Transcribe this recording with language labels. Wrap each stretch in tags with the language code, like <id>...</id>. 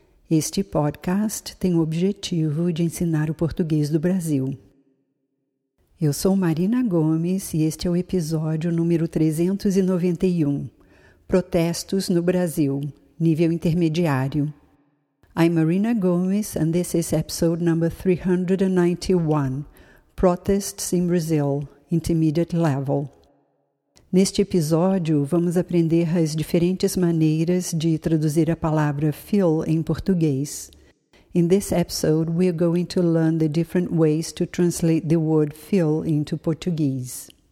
<pt>Este podcast tem o objetivo de ensinar o português do Brasil. Eu sou Marina Gomes e este é o episódio número 391. Protestos no Brasil, nível intermediário.</pt> <en>I'm Marina Gomes and this is episode number 391. Protests in Brazil, Intermediate Level.</en> <pt>Neste episódio, vamos aprender as diferentes maneiras de traduzir a palavra feel em português.</pt> <en>In this episode, we are going to learn the different ways to translate the word feel into Portuguese.</en>